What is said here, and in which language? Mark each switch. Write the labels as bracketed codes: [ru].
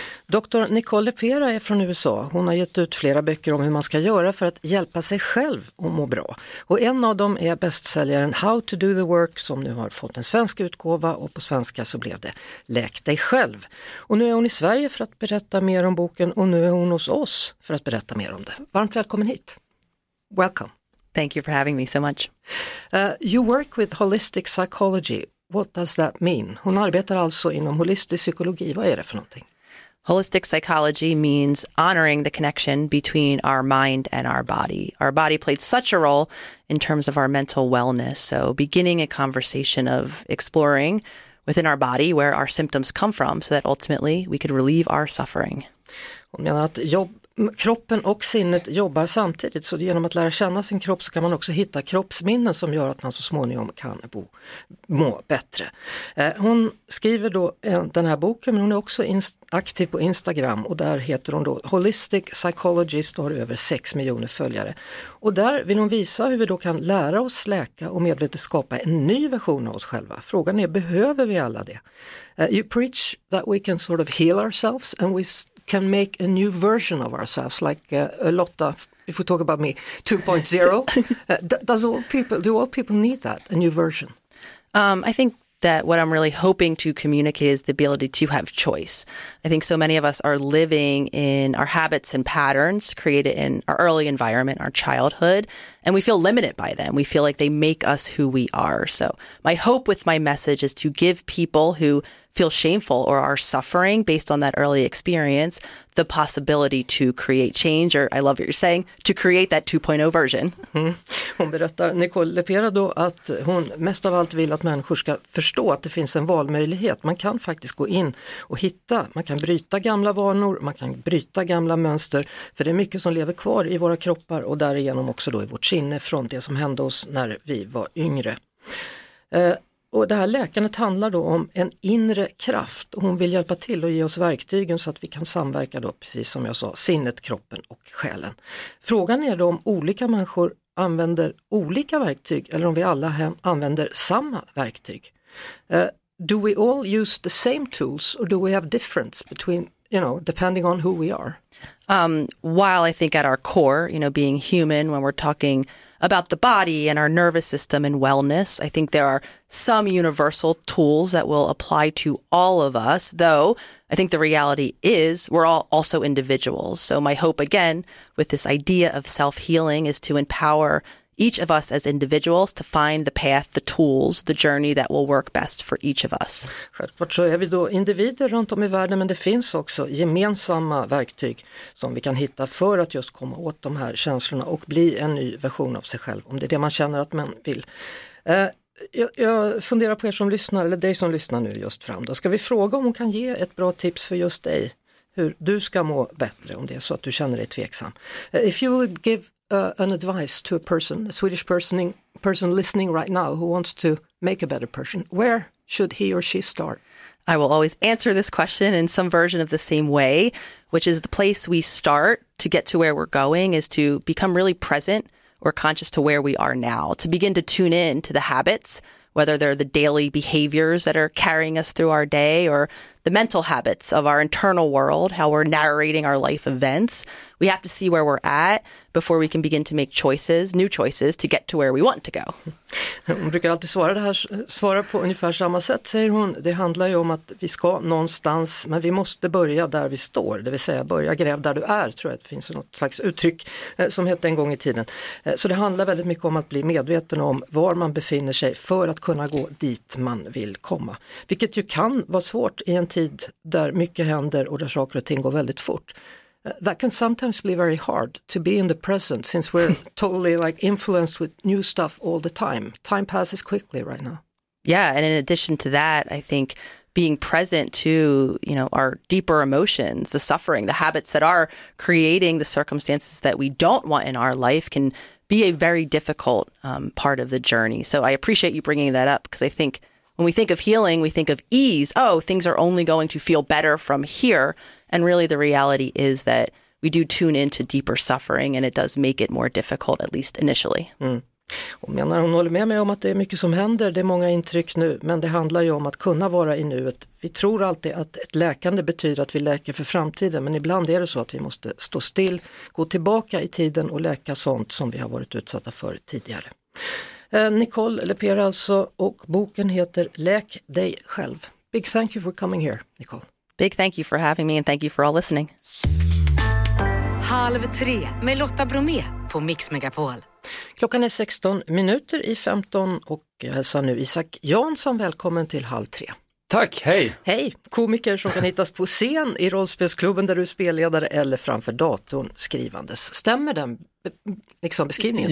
[sv] Doktor Nicole Lepera är från USA. Hon har gett ut flera böcker om hur man ska göra för att hjälpa sig själv och må bra. Och en av dem är bästsäljaren How to do the work, som nu har fått en svensk utgåva, och på svenska så blev det Läk dig själv. Och nu är hon i Sverige för att berätta mer om boken, och nu är hon hos oss för att berätta mer om det. Varmt välkommen hit. [en] Welcome. Thank you for having me so much. You work with holistic psychology. What does that mean? [sv] Hon arbetar alltså inom holistisk psykologi. Vad är det för någonting? [en] Holistic psychology means honoring the connection between our mind and our body. Our body played such a role in terms of our mental wellness. So beginning a conversation of exploring within our body where our symptoms come from so that ultimately we could relieve our suffering. [sv] Hon menar att kroppen och sinnet jobbar samtidigt, så genom att lära känna sin kropp så kan man också hitta kroppsminnen som gör att man så småningom kan må bättre. Hon skriver då den här boken, men hon är också aktiv på Instagram, och där heter hon då Holistic Psychologist och har över 6 miljoner följare. Och där vill hon visa hur vi då kan lära oss läka och medvetet skapa en ny version av oss själva. Frågan är, behöver vi alla det? [en] You preach that we can sort of heal ourselves and we can make a new version of ourselves, like Lotta, if we talk about me, 2.0. do all people need that, a new version? I think that what I'm really hoping to communicate is the ability to have choice. I think so many of us are living in our habits and patterns created in our early environment, our childhood, and we feel limited by them. We feel like they make us who we are. So my hope with my message is to give people who feel shameful or are suffering based on that early experience the possibility to create change, or I love what you're saying, to create that 2.0 version. Mm. [sv] Hon berättar, Nicole Lepera då, att hon mest av allt vill att människor ska förstå att det finns en valmöjlighet. Man kan faktiskt gå in och hitta, man kan bryta gamla vanor, man kan bryta gamla mönster, för det är mycket som lever kvar i våra kroppar och därigenom också då i vårt sinne från det som hände oss när vi var yngre. Och det här läkandet handlar då om en inre kraft. Hon vill hjälpa till och ge oss verktygen så att vi kan samverka då, precis som jag sa, sinnet, kroppen och själen. Frågan är då om olika människor använder olika verktyg eller om vi alla använder samma verktyg. [en] Do we all use the same tools or do we have difference between, you know, depending on who we are? While I think at our core, you know, being human, when we're talking about the body and our nervous system and wellness, I think there are some universal tools that will apply to all of us, though I think the reality is we're all also individuals. So my hope, again, with this idea of self-healing is to empower each of us as individuals to find the path, the tools, the journey that will work best for each of us. [sv] Självklart så är vi då individer runt om i världen, men det finns också gemensamma verktyg som vi kan hitta för att just komma åt de här känslorna och bli en ny version av sig själv, om det är det man känner att man vill. Jag funderar på er som lyssnar, eller dig som lyssnar nu just fram. Då ska vi fråga om hon kan ge ett bra tips för just dig, hur du ska må bättre om det är så att du känner dig tveksam. [en] If you would give an advice to a person, a Swedish person listening right now who wants to make a better person, where should he or she start? I will always answer this question in some version of the same way, which is the place we start to get to where we're going is to become really present or conscious to where we are now, to begin to tune in to the habits, whether they're the daily behaviors that are carrying us through our day or the mental habits of our internal world, how we're narrating our life events. We have to see where we're at before we can begin to make choices, new choices, to get to where we want to go. [sv] Hon brukar alltid svara på ungefär samma sätt, säger hon. Det handlar ju om att vi ska någonstans, men vi måste börja där vi står. Det vill säga börja gräv där du är, tror jag att det finns något slags uttryck som hette en gång i tiden. Så det handlar väldigt mycket om att bli medveten om var man befinner sig för att kunna gå dit man vill komma. Vilket ju kan vara svårt i en en tid där mycket händer och där saker och ting går väldigt fort. [en] That can sometimes be very hard to be in the present since we're totally like influenced with new stuff all the time. Time passes quickly right now. Yeah, and in addition to that, I think being present to, you know, our deeper emotions, the suffering, the habits that are creating the circumstances that we don't want in our life can be a very difficult part of the journey. So I appreciate you bringing that up because I think when we think of healing, we think of ease. Oh, things are only going to feel better from here. And really the reality is that we do tune into deeper suffering and it does make it more difficult, at least initially. Mm. [sv] Hon menar, hon håller med mig om att det är mycket som händer, det är många intryck nu, men det handlar ju om att kunna vara i nuet. Vi tror alltid att ett läkande betyder att vi läker för framtiden, men ibland är det så att vi måste stå still, gå tillbaka i tiden och läka sånt som vi har varit utsatta för tidigare. Nicole Lepera alltså, och boken heter Läk dig själv. [en] Big thank you for coming here, Nicole. Big thank you for having me and thank you for all listening. [sv] Halv tre med Lotta Bromé på Mix Megapol. Klockan är 16 minuter i 15 och jag hälsar nu Isak Jansson välkommen till halv tre. Tack, hej! Hej, komiker som kan hittas på scen i rollspelsklubben där du är spelledare eller framför datorn skrivandes. Stämmer den liksom beskrivningen?